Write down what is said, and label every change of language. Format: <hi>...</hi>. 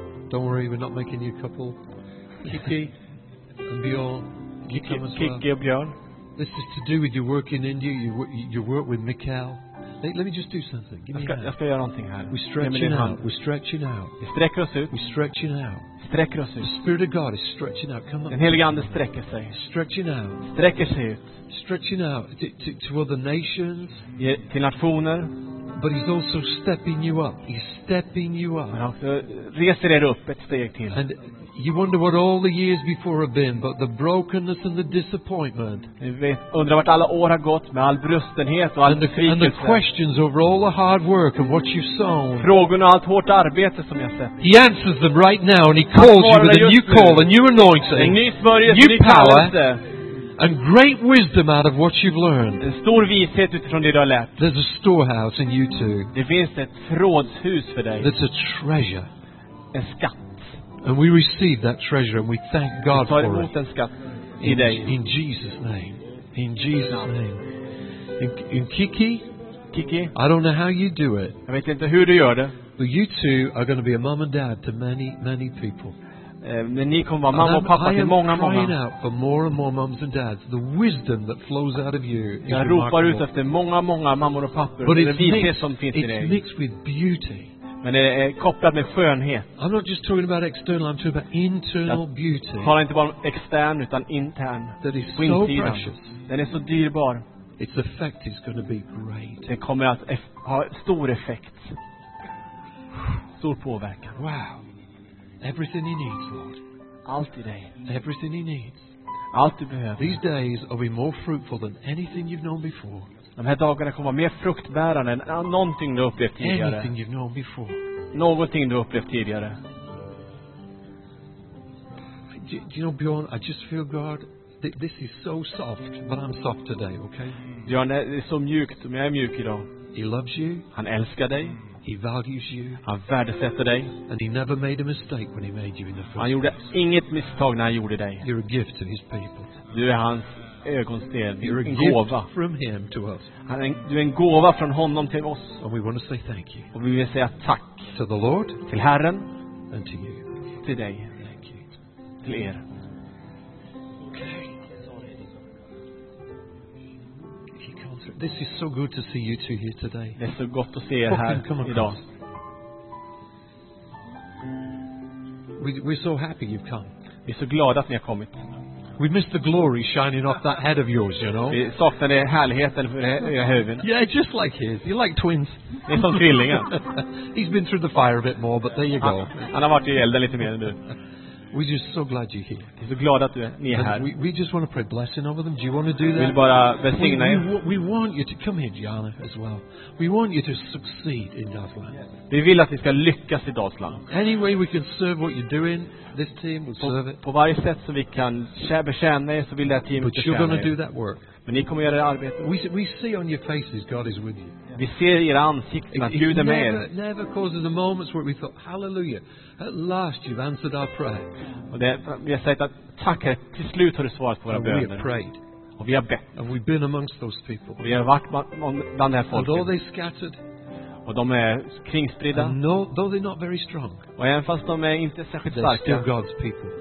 <en>Don't worry, we're not making you a couple. Kiki and Bjorn, you come as well. Kiki and Bjorn. This is to do with your work in India. You work with Mikael. Let me just do something.</en> <sv>Jag ska göra någonting här.</sv> <en>We stretching out. We stretching out.</en> <sv>Vi sträcker oss ut.</sv> <en>We stretching out.</en> <sv>Sträcker oss ut.</sv> <en>The Spirit of God is stretching out. Come on.</en> <sv>Den helige ande sträcker sig.</sv> <en>Stretching out.</en> <sv>Sträcker sig ut.</sv> <en>Stretching out to other nations.</en> <sv>Till nationer.</sv> <en>But he's also stepping you up. He's stepping you up.</en> <sv>Men också reser er upp ett steg till.</sv> <en>And you wonder what all the years before have been, but the brokenness and the disappointment.</en> <sv>Undrar vart alla år har gått med all brustenhet och all besvikelse.</sv> <en>And the questions over all the hard work and what you've sown.</en> <sv>Frågorna allt hårt arbete som jag sett.</sv> <en>He answers them right now and he calls you with a new call, a new anointing, new power. And great wisdom out of what you've learned.</en> <sv>En stor vishet utifrån det du har lärt.</sv> <en>There's a storehouse in you too.</en> <sv>Det finns ett förrådshus för dig.</sv> <en>That's a treasure.</en> <sv>En skatt.</sv> <en>And we receive that treasure and we thank God for it.</en> <sv>Vi tar emot den skatt i dig.</sv> <en>In Jesus' name. In Jesus' name. In Kiki. Kiki. I don't know how you do it.</en> <sv>Jag vet inte hur du gör det.</sv> <en>But you two are going to be a mom and dad to many, many people.</en> <sv>Men ni kommer vara mamma och pappa till många mamma.</sv> <en>Crying out for more and more moms and dads. The wisdom that flows out of you.</en> <sv>Jag ropar ut efter många många mammor och pappor.</sv> <en>But it's mixed with beauty.</en> <sv>Men det är kopplat med skönhet.</sv> <en>I'm not just talking about external, I'm talking about internal beauty.</en> <sv>Jag talar inte bara om extern utan intern.</sv> <en>That is so precious.</en> <sv>Den är så dyrbar.</sv> <en>Its effect is going to be great.</en> <sv>Det kommer att ha stor effekt. Stor påverkan.</sv> <en>Wow. Everything he needs, Lord.</en> <sv>Allt i dig.</sv> <en>Everything he needs.</en> <sv>Allt du behöver.</sv> <en>These days are we more fruitful than anything you've known before.</en> <sv>De här dagarna kommer vara mer fruktbärande än någonting du upplevt tidigare.</sv> <en>Anything you've known before.</en> <sv>Någonting du upplevt tidigare.</sv> <en>Do you know, Bjorn, I just feel God. This is so soft, but I'm soft today, okay?</en> <sv>Bjorn, det är så mjukt, men jag är mjuk idag.</sv> <en>He loves you.</en> <sv>Han älskar dig.</sv> <en>He values you.</en> <sv>Han värdesätter dig.</sv> <en>And he never made a mistake when he made you in the first place.</en> <sv>Han gjorde inget misstag när han gjorde dig.</sv> <en>You're a gift to his people.</en> <sv>Du är hans ögonsten.</sv> <en>You're</en> <sv>en gåva.</sv> <en>From him to us.</en> <sv>Du är en gåva från honom till oss.</sv> <en>And we want to say thank you.</en> <sv>Och vi vill säga tack.</sv> <en>To the Lord.</en> <sv>Till Herren.</sv> <en>And to you.</en> <sv>Till dig.</sv> <en>Thank you.</en> <sv>Till er.</sv> <en>This is so good to see you two here today.</en> <sv>Det är så gott att se er här idag.</sv> <en>We're so happy you've come.</en> <sv>Vi är så glada att ni har kommit.</sv> <en>We miss the glory shining off that head of yours, you know.</en> <sv>Vi saknar härligheten i huvudet.</sv> <en>Yeah, just like his. You're like twins.</en> <sv>Ni är som tvillingar.</sv> <en>He's been through the fire a bit more, but there you go.</en> <sv>Han har varit i elden lite mer än du.</sv> <en>We're just so glad you're here.</en> <sv>Vi är glada att ni är här.</sv> <en>We just want to pray blessing over them. Do you want to do that?</en> <sv>Vi vill bara välsigna er.</sv> <en>We want you to come here, Gianna, as well. We want you to succeed in Dalsland.</en> <sv>Vi vill att ni ska lyckas i Dalsland.</sv> <en>Any way we can serve what you're doing, this team will serve it.</en> <sv>På varje sätt som vi kan betjäna er, så vill det här teamet betjäna er.</sv> <en>But you're going to do that work.</en> <sv>Men ni kommer göra det arbetet.</sv> <en>We see on your faces God is with you.</en> <sv>Vi ser era ansikten att Gud är med er.</sv> <en>Never causes the moments where we thought, hallelujah, at last you've answered our prayer.</en> <sv>Och det, vi har sagt att tack, till slut har du svarat på våra böner.</sv> <en>We have prayed.</en> <sv>Och vi har bett.</sv> <en>And we've been amongst those people.</en> <sv>Och vi har varit bland det här folket.</sv> <en>Although they scattered.</en> <sv>Och de är kringspridda.</sv> <en>Though they're not very strong.</en> <sv>Och även fast de är inte särskilt starka.</sv> <en>They're still God's people.</en>